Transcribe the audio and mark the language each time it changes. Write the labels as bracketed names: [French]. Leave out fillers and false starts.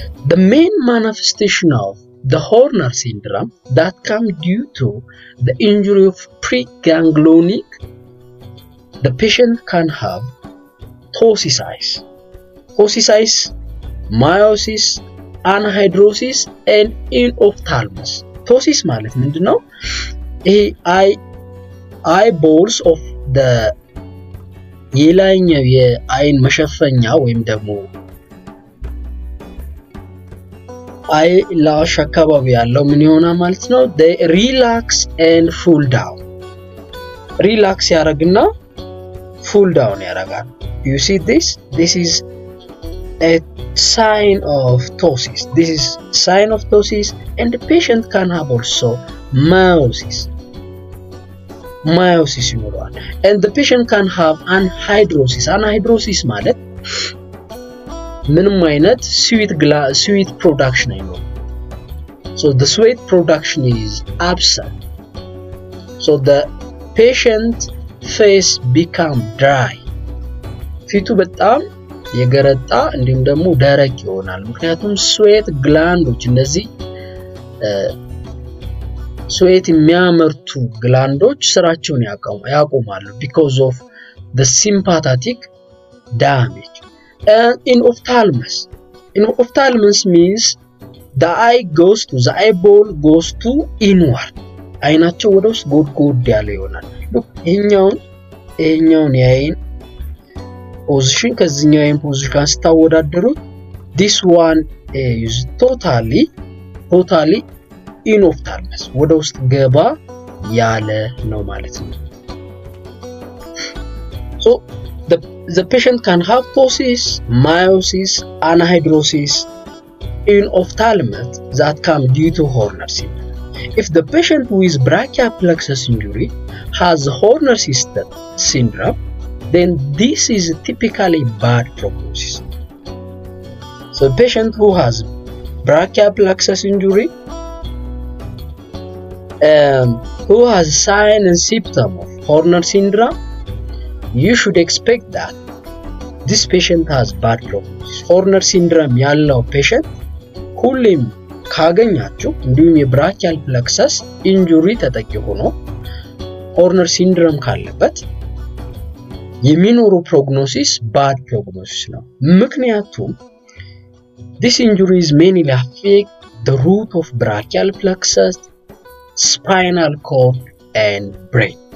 [English] The main manifestation of the Horner syndrome that come due to the injury of preganglionic, the patient can have ptosis eyes, meiosis, anhidrosis, and inophthalmos. [Amharic] Ptosis ማለት ምንድነው? eyeballs of the የላይኛው የአይን መሸፈኛ ወይም ደግሞ አይ ላሽ አካባቢ ያለው ምን ይሆናል ማለት ነው? [English] they relax and fall down. [Amharic] relax ያረግና fall down ያረጋል. [English] you see this is a sign of ptosis. this is sign of ptosis and the patient can have also miosis ይኖራል. and the patient can have anhidrosis. [Amharic] anhidrosis ማለት ምንም አይነት sweat production አይኖርም. [English] so the sweat production is absent. so the patient face become dry. [Amharic] ፊቱ በጣም የገረጣ እንዲሁም ደግሞ ደረቅ ይሆናል. ምክንያቱም sweat glandsዎች እነዚህ sweat የሚያመርቱ glandsዎች ስራቸውን ያቆማሉ [English] because of the sympathetic damage. And inophthalmos means the eye goes to, the eyeball goes to inward. [Amharic] አይናቸው ወደ ውስጥ ጎድጎድ ያለ ይሆናል. look ይሄኛውን የአይን position ከዚህኛው የአይን position ጋር ስታወዳደሩት [English] this one is totally inophthalmos. [Amharic] ወደ ውስጥ ገባ ያለ ነው ማለት ነው. [English] so the patient can have ptosis, miosis, anhidrosis, inophthalmos that come due to Horner syndrome. If the patient with brachial plexus injury has Horner syndrome, then this is typically bad prognosis. So patient who has brachial plexus injury who has sign and symptom of Horner syndrome, you should expect that this patient has bad prognosis. [Amharic] Horner syndrome ያለው patient ሁሉም ካገኛችሁ እንዲሁም የብራቻል ፕለክሰስ ኢንጁሪ ተጠቂ ሆኖ Horner syndrome ካለበት የሚኖሩ prognosis bad prognosis ነው. [English] ምክንያቱም this injury is mainly affect the root of brachial plexus, spinal cord and brain.